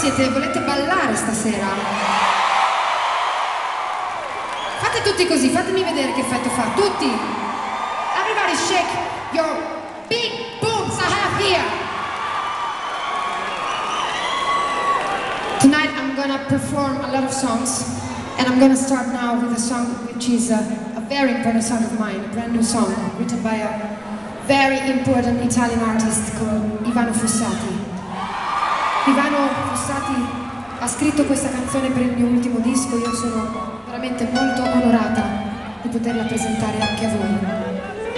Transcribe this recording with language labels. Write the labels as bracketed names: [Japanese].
[Italian] Volete ballare stasera? Fate tutti così, fatemi vedere che effetto fa. Tutti! [English] Everybody shake your big boobs I have here! Tonight I'm gonna perform a lot of songs and I'm gonna start now with a song which is a very important song of mine, a brand new song written by a very important Italian artist called Ivano Fossati. [Italian] Ivano Fossati ha scritto questa canzone per il mio ultimo disco, io sono veramente molto onorata di poterla presentare anche a voi.